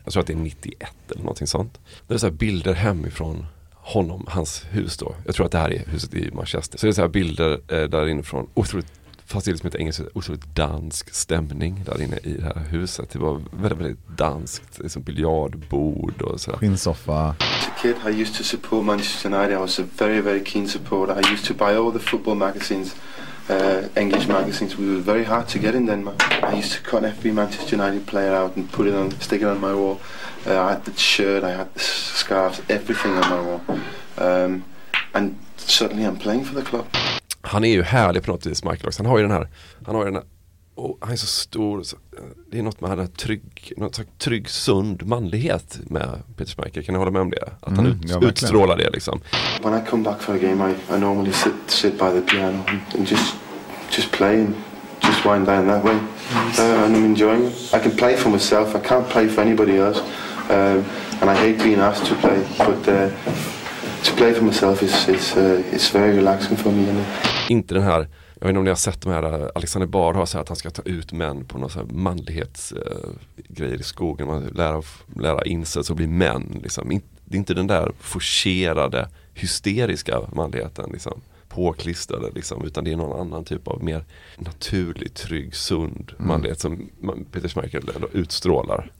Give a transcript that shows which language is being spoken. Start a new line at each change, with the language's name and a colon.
Swedish: Jag tror att det är 91 eller någonting sånt. Det är så här bilder hemifrån honom, hans hus då. Jag tror att det här är huset i Manchester. Så det är så här bilder där inifrån. Otroligt, fast det är liksom ett engelskt, otroligt dansk stämning där inne i det här huset. Det var väldigt, väldigt danskt. Det är som biljardbord och sådär. Skinnsoffa.
English: Kid, I used to support Manchester United. I was a very, very keen supporter. I used to buy all the football magazines, English magazines. We were very hard to get in Denmark. I used to cut every Manchester United player out and put it on, stick it on my wall. I had the shirt, I had the scarves, everything on my wall. And suddenly I'm playing for the club.
Swedish: Han är ju härlig på något vis, Michael Ox. Han har ju den här och han är så stor. Så, det är något med den här trygg, sund manlighet med Peter Schmeichel. Kan ni hålla med om det? Att han utstrålar det liksom.
English: When I come back for a game, I normally sit by the piano and just play and just wind down that way. And I'm enjoying it. I can play for myself. I can't play for anybody else. And I hate being asked to play, but to play for myself is very relaxing for me.
Swedish: Inte den här... Jag vet inte om ni har sett de här, Alexander Bard har sagt att han ska ta ut män på någon sån här manlighetsgrejer i skogen. Man lära in sig så blir män. Liksom. Det är inte den där forcerade, hysteriska manligheten liksom, påklistrade. Liksom, utan det är någon annan typ av mer naturlig, trygg, sund manlighet som Peter Schmeichel ändå utstrålar.